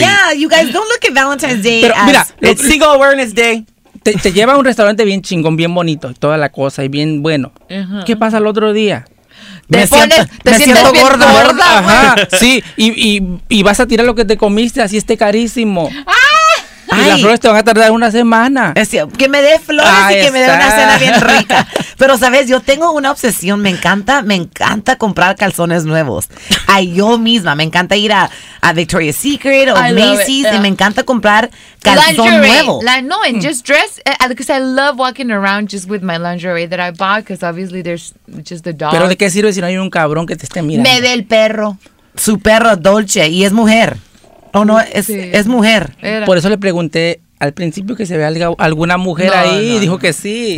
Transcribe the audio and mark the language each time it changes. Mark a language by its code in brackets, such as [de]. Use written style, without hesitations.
[en] Yeah, you guys, don't look at Valentine's Day It's Single Awareness Day. [es] Te lleva a un restaurante bien chingón, bien bonito, toda la cosa, y bien bueno. Uh-huh. ¿Qué pasa el otro día? Te sientes gorda. Gorda. Ajá, sí, y vas a tirar lo que te comiste, así esté carísimo. ¡Ah! Y las flores te van a tardar una semana. Que me dé flores me dé una cena bien rica. Pero, ¿sabes? Yo tengo una obsesión. Me encanta comprar calzones nuevos. A yo misma. Me encanta ir a Victoria's Secret o Macy's. Yeah. Y me encanta comprar calzón nuevo. [en] No, and just dress. Because I love walking around just with my lingerie that I bought. Because obviously there's just the dog. [es] ¿Pero de qué sirve si no hay un cabrón que te esté mirando? Me dé el perro. Su perro, Dolce. Y es mujer. ¿O no? Es mujer. Era. Por eso le pregunté. Al principio que se ve alguna mujer dijo que sí.